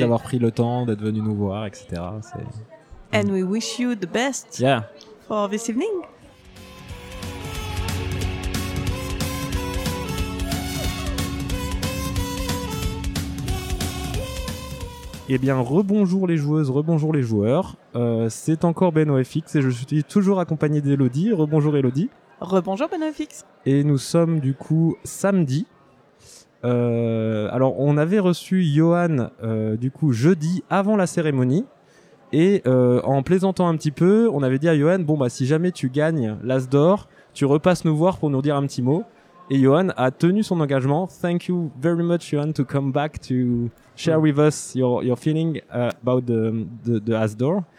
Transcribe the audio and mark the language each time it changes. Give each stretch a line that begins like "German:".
French: d'avoir pris le temps d'être venu nous voir, etc. C'est...
English: And we wish you the best for this evening.
French: Eh bien, rebonjour les joueuses, rebonjour les joueurs. C'est encore BenoFX et je suis toujours accompagné d'Elodie. Rebonjour Elodie. Rebonjour BenoFX. Et nous sommes du coup samedi. Alors, on avait reçu Johan du coup jeudi avant la cérémonie. Et en plaisantant un petit peu, on avait dit à Johan, bon bah si jamais tu gagnes l'As d'Or, tu repasses nous voir pour nous dire un petit mot. Et Johan a tenu son engagement.
English: Thank you very much, Johan, to come back to share with us your feeling about the As d'Or.